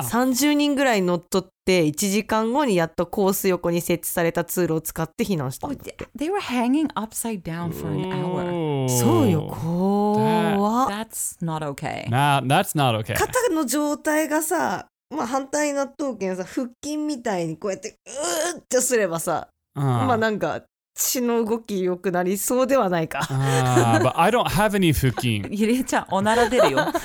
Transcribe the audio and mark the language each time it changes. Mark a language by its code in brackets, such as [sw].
[ja] 30人ぐらい乗っ取って、1時間後にやっとコース横に設置された通路を使って避難したんだって。 [en] Oh, they were hanging upside down for an hour. [ja] そうよ、こわ。 [en] That's not okay. Nah, that's not okay. [ja] 肩の状態がさ、まあ反対になっとうけんさ、腹筋みたいにこうやってうーってすればさ、まあなんか、血の動き良くなりそうではないか。 [en] But I don't have any 腹筋。 [ja] ゆりえちゃん、おなら出るよ。